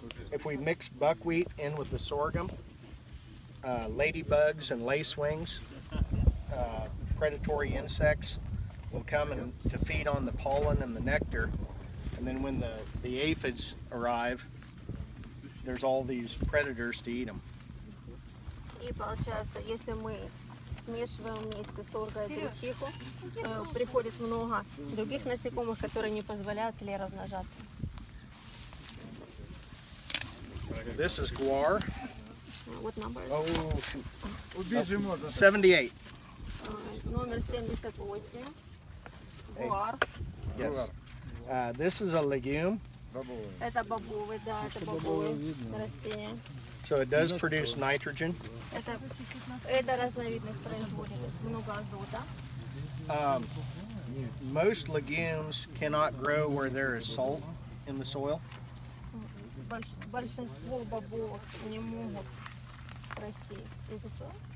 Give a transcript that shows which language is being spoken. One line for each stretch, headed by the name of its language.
English: If we mix buckwheat in with the sorghum, ladybugs and lacewings, predatory insects will come and to feed on the pollen and the nectar, and then when the aphids arrive, there's all these predators to eat them.
Russian: И получается, если мы смешиваем вместе сорга и гречиху, приходит много других насекомых, которые не позволяют ей размножаться.
English: This is guar. What number? Oh, shoot. 78.
Russian: Номер 78. Guar.
English: Yes. This is a legume.
Russian: Это бобовый, да, это бобовое растение.
English: So it does produce nitrogen.
Russian: Это разновидность производит много азота.
English: Most legumes cannot grow where there is salt in the soil.
Russian: Большинство бобовых не могут расти из-за соли.